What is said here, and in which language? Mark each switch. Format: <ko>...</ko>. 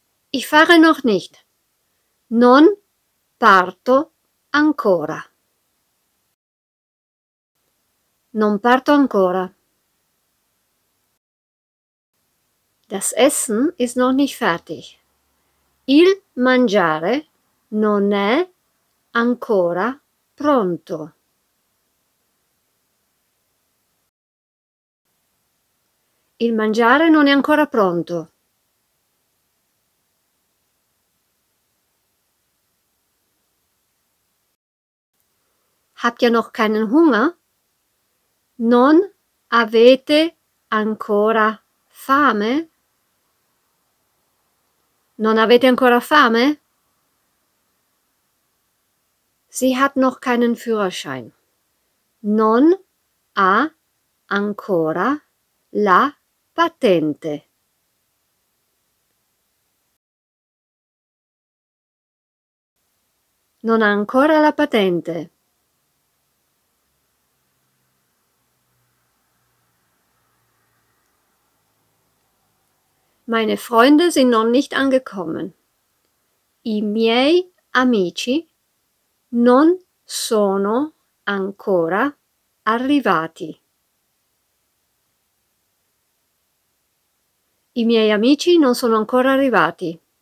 <de>Ich fahre noch nicht.</de> <it>Non parto ancora. Non parto ancora.</it> <de>Das Essen ist noch nicht fertig.</de> <it>Il mangiare non è ancora pronto. Il mangiare non è ancora pronto.</it> <de>Habt ihr noch keinen Hunger?</de> <it>Non avete ancora fame? Non avete ancora fame?</it> <de>Sie hat noch keinen Führerschein.</de> <it>Non ha ancora la patente. Non ha ancora la patente.</it> <de>Meine Freunde sind noch nicht angekommen.</de> <it>I miei amici non sono ancora arrivati. I miei amici non sono ancora arrivati.</it>